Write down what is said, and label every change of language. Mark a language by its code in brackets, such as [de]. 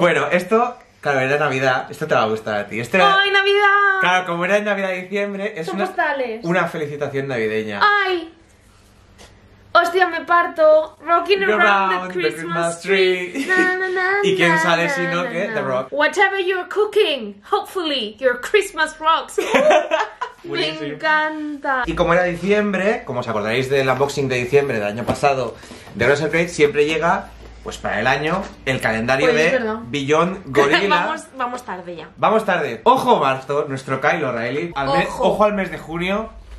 [es] Bueno, esto, claro, era Navidad. Esto te va a gustar a ti. Este ¡ay, era... Navidad! Claro, como era en Navidad y diciembre, es son una... postales. Una felicitación navideña. ¡Ay! ¡Hostia, me parto! [en] Rocking around the Christmas tree. Na, na, [es] ¿y quién na, sale si no que The Rock? [en] Whatever you're cooking, hopefully your Christmas rocks. [es] Buenísimo. Me encanta. Y como era diciembre, como os acordaréis del unboxing de diciembre del año pasado de Russell Crate, siempre llega, pues para el año, el calendario pues de Beyond Gorilla. vamos tarde ya. Vamos tarde. Ojo, Barto, nuestro Kyle O'Reilly. Ojo al mes de junio.